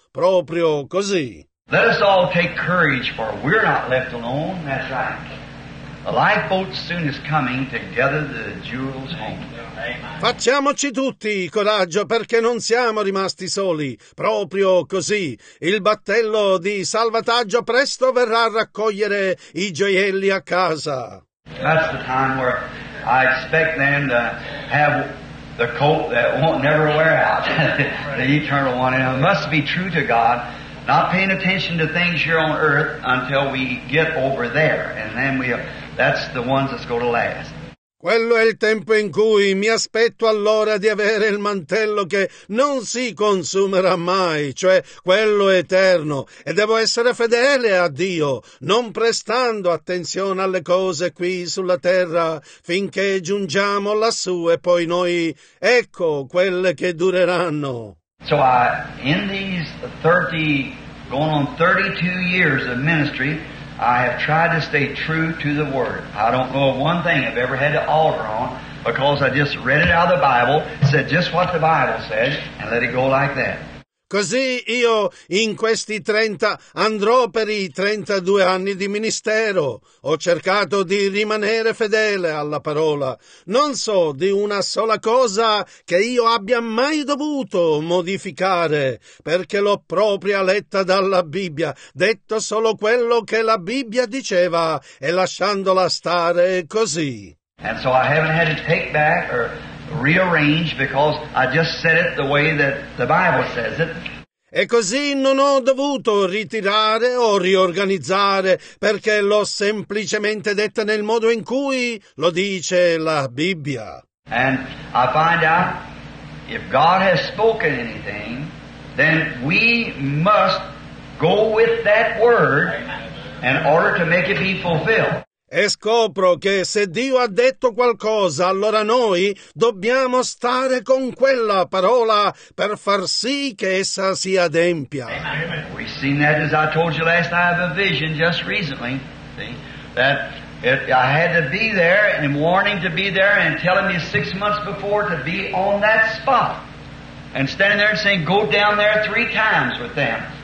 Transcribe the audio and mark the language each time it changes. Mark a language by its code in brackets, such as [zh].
[it] Proprio così. [en] Let us all take courage, for we're not left alone. That's right. A lifeboat soon is coming to gather the jewels home. [it] Facciamoci tutti coraggio, perché non siamo rimasti soli. Proprio così. Il battello di salvataggio presto verrà a raccogliere i gioielli a casa. [en] That's the time where I expect them to have the coat that won't never wear out. The eternal one. And it must be true to God. Not paying attention to things here on earth until we get over there. And then that's the ones that's going to last. [it] Quello è il tempo in cui mi aspetto allora di avere il mantello che non si consumerà mai, cioè quello eterno, e devo essere fedele a Dio, non prestando attenzione alle cose qui sulla terra, finché giungiamo lassù e poi noi, ecco, quelle che dureranno. [en] So in these 30, going on 32 years of ministry, I have tried to stay true to the Word. I don't know of one thing I've ever had to alter on, because I just read it out of the Bible, said just what the Bible said, and let it go like that. [it] Così io in questi 30, andrò per i 32 anni di ministero. Ho cercato di rimanere fedele alla parola. Non so di una sola cosa che io abbia mai dovuto modificare, perché l'ho propria letta dalla Bibbia, detto solo quello che la Bibbia diceva e lasciandola stare così. [en] And so I haven't had to take back or rearrange, because I just said it the way that the Bible says it. [it] E così non ho dovuto ritirare o riorganizzare, perché l'ho semplicemente detta nel modo in cui lo dice la Bibbia. [en] And I find out if God has spoken anything, then we must go with that word in order to make it be fulfilled. [it] E scopro che se Dio ha detto qualcosa, allora noi dobbiamo stare con quella parola per far sì che essa si adempia. [en] Amen. We've seen that, as I told you last night, I have a vision just recently. See? That if I had to be there and warning to be there and telling me 6 months before to be on that spot. And standing there and saying, go down there 3 times with them.